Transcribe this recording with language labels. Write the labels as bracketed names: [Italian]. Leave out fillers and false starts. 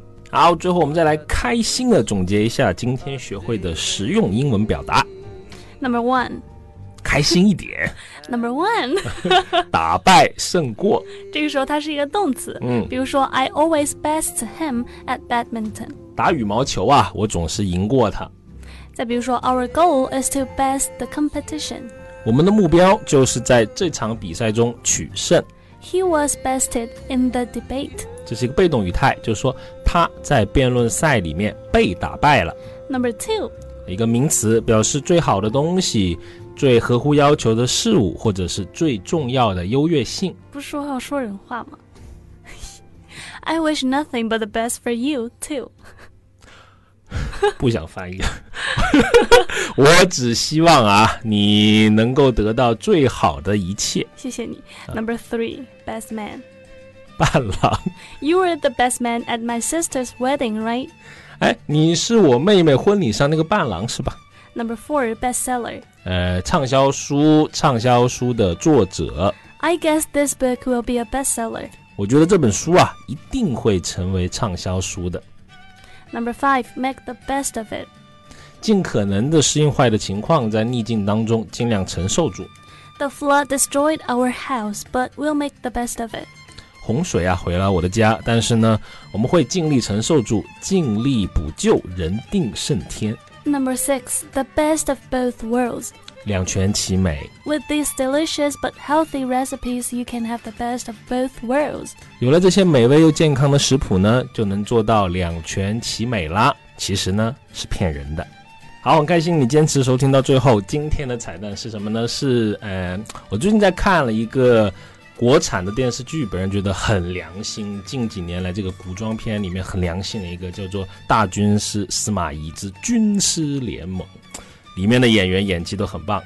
[Chinese] 好，最后我们再来开心的总结一下今天学会的实用英文表达。 [English] Number one, [Chinese] 开心一点。 [English] Number one, [Chinese] 打败胜过。这个时候它是一个动词。比如说 [English] I always best him at badminton, [Chinese] 打羽毛球啊，我总是赢过他。再比如说 [English] Our goal is to best the competition, [Chinese] 我们的目标就是在这场比赛中取胜。 [English] He was bested in the debate, [Chinese] 这是一个被动语态，就是说他在辩论赛里面被打败了。 [English] Number two, [Chinese] 一个名词表示最好的东西，最合乎要求的事物，或者是最重要的优越性。不是说要说人话吗？ [English] I wish nothing but the best for you too. [Chinese] 不想翻译。我只希望啊，你能够得到最好的一切。谢谢你。 [English] Number three, best man. [Chinese] 伴郎。 [English] You were the best man at my sister's wedding, right? [Chinese] 你是我妹妹婚礼上那个伴郎是吧？ [English] Number four, bestseller. [Chinese] 畅销书的作者。 [English] I guess this book will be a bestseller. [Chinese] 我觉得这本书啊一定会成为畅销书的。 [English] Number five, make the best of it. [Chinese] 尽可能的适应坏的情况，在逆境当中尽量承受住。 [English] The flood destroyed our house, but we'll make the best of it. [Chinese] 洪水啊毁了我的家，但是呢我们会尽力承受住，尽力补救，人定胜天。 [English] Number six, the best of both worlds, [Chinese] 两全其美。 [English] With these delicious but healthy recipes you can have the best of both worlds, [Chinese] 有了这些美味又健康的食谱呢，就能做到两全其美了。其实呢是骗人的。好，很开心你坚持收听到最后。今天的彩蛋是什么呢？是我最近在看了一个国产的电视剧，本人觉得很良心，近几年来这个古装片里面很良心的一个，叫做《大军师司马懿之军师联盟》，里面的演员演技都很棒。